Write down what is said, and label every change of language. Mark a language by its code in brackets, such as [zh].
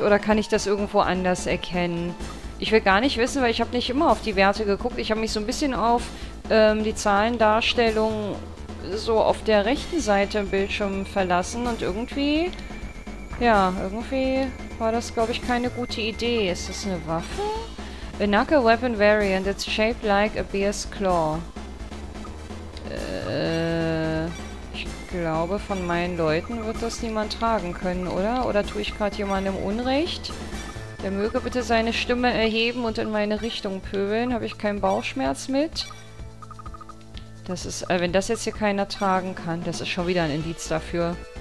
[de] Oder kann ich das irgendwo anders erkennen? Ich will gar nicht wissen, weil ich habe nicht immer auf die Werte geguckt. Ich habe mich so ein bisschen auf die Zahlendarstellung so auf der rechten Seite im Bildschirm verlassen. Und irgendwie... Ja, irgendwie war das, glaube ich, keine gute Idee. Ist das eine Waffe? A Knuckle Weapon Variant. [en] It's shaped like a bear's claw. [de] Ich glaube, von meinen Leuten wird das niemand tragen können, oder? Oder tue ich gerade jemandem Unrecht? Der möge bitte seine Stimme erheben und in meine Richtung pöbeln. Habe ich keinen Bauchschmerz mit? Das ist, wenn das jetzt hier keiner tragen kann, das ist schon wieder ein Indiz dafür.